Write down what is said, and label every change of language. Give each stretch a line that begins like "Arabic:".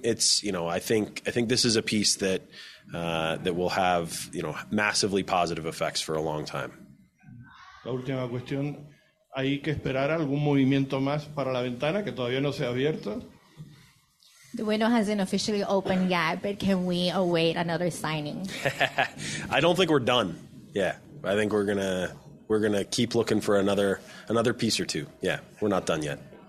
English: It's, I think this is a piece that, that will have, massively positive effects for a long time.
Spanish: La última cuestión, ¿hay que esperar algún movimiento más para la ventana que todavía no se ha abierto?
English: The window hasn't officially opened yet, but can we await another signing? I don't think we're done. Yeah, I think we're gonna keep looking for another piece or two. Yeah, we're not done yet.